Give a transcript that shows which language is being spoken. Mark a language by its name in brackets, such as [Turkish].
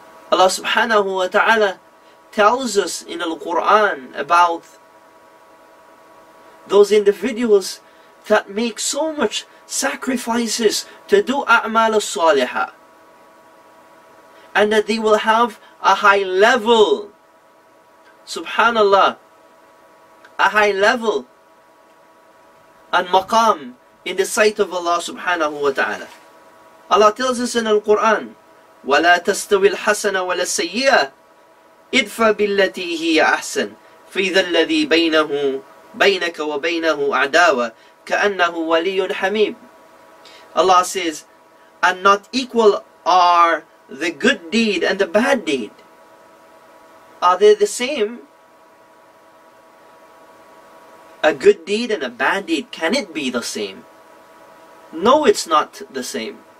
[English] Allah subhanahu wa ta'ala tells us in Al-Quran about those individuals that make so much sacrifices to do a'mal as-saliha. And that they will have a high level, subhanallah, a high level and maqam in the sight of Allah subhanahu wa ta'ala. Allah tells us in Al-Quran, [Arabic] وَلَا تَسْتَوِي الْحَسَنَ وَلَا السَّيِّئَةِ اِدْفَ بِالَّتِي هِيَ أَحْسَنْ فَإِذَا الَّذِي بَيْنَهُ بَيْنَكَ وَبَيْنَهُ أَعْدَاوَ كَأَنَّهُ وَلِيٌّ حَمِيمٌ. [English] Allah says, and not equal are the good deed and the bad deed. Are they the same? A good deed and a bad deed, can it be the same? No, it's not the same.